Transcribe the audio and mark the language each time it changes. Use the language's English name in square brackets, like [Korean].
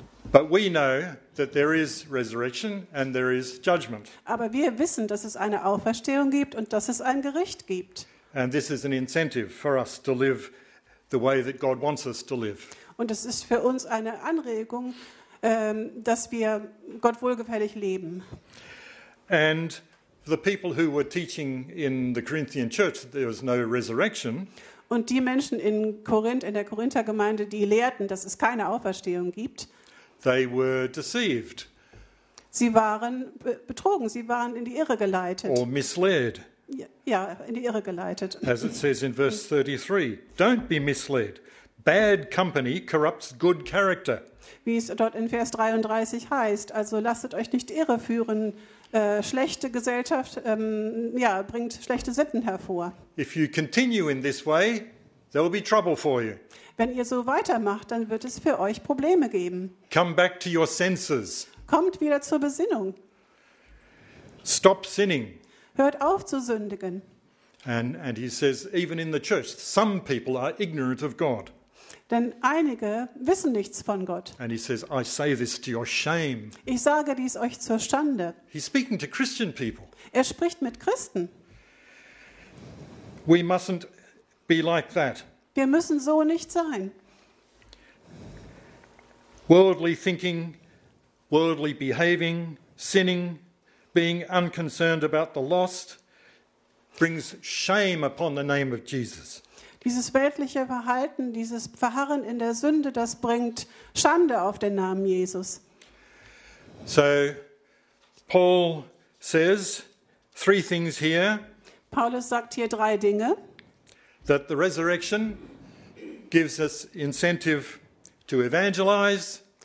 [English] But we know that there is resurrection and there is judgment. [German] Aber wir wissen, dass es eine Auferstehung gibt und dass es ein Gericht gibt. [English] And this is an incentive for us to live the way that God wants us to live. [German] Und es ist für uns eine Anregung, dass wir Gott wohlgefällig leben. [English] And the people who were teaching in the Corinthian church that there was no resurrection. [German] Und die Menschen in Korinth, in der Korinthergemeinde, die lehrten, dass es keine Auferstehung gibt. [English] They were deceived. [German] Sie waren betrogen, sie waren in die Irre geleitet. [English] Or misled. [German] Ja, in die Irre geleitet. [English] As it says in verse 33, don't be misled. Bad company corrupts good character. [German] Wie es dort in Vers 33 heißt, also lasst euch nicht irreführen, schlechte Gesellschaft bringt schlechte Sitten hervor. [English] If you continue in this way, there will be trouble for you. [German] Wenn ihr so weitermacht, dann wird es für euch Probleme geben. [English] Come back to your senses. [German] Kommt wieder zur Besinnung. [English] Stop sinning. [German] Hört auf zu sündigen. [English] And he says, even in the church, some people are ignorant of God. [German] Denn einige wissen nichts von Gott. [English] And he says, I say this to your shame. [German] Ich sage dies euch zur Schande. [English] He's speaking to Christian people. [German] Er spricht mit Christen. [English] We mustn't be like that. [German] Wir müssen so nicht sein. [English] Worldly thinking, worldly behaving, sinning, being unconcerned about the lost brings shame upon the name of Jesus. [German] Dieses weltliche Verhalten, dieses Verharren in der Sünde, das bringt Schande auf den Namen Jesus. [English] So Paul says three things here. [German] Paulus sagt hier drei Dinge. [English] That the resurrection gives us incentive to evangelize.